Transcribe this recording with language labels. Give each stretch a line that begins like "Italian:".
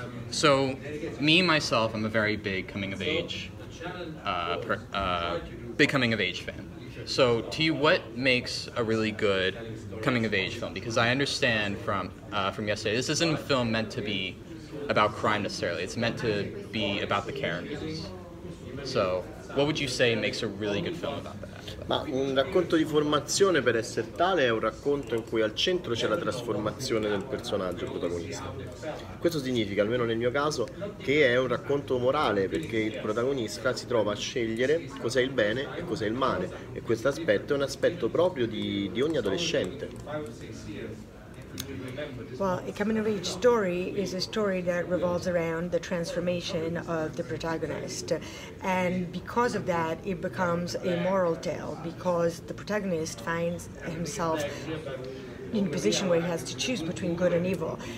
English: So, me, myself, I'm a very big coming-of-age fan. So, to you, what makes a really good coming-of-age film? Because I understand from yesterday, this isn't a film meant to be about crime necessarily. It's meant to be about the characters. So, What would you say makes a really good film about that?
Italian: Ma un racconto di formazione, per essere tale, è un racconto in cui al centro c'è la trasformazione del personaggio protagonista. Questo significa, almeno nel mio caso, che è un racconto morale, perché il protagonista si trova a scegliere cos'è il bene e cos'è il male, e questo aspetto è un aspetto proprio di ogni adolescente.
English: Well, a coming of age story is a story that revolves around the transformation of the protagonist. And because of that, it becomes a moral tale, because the protagonist finds himself in a position where he has to choose between good and evil.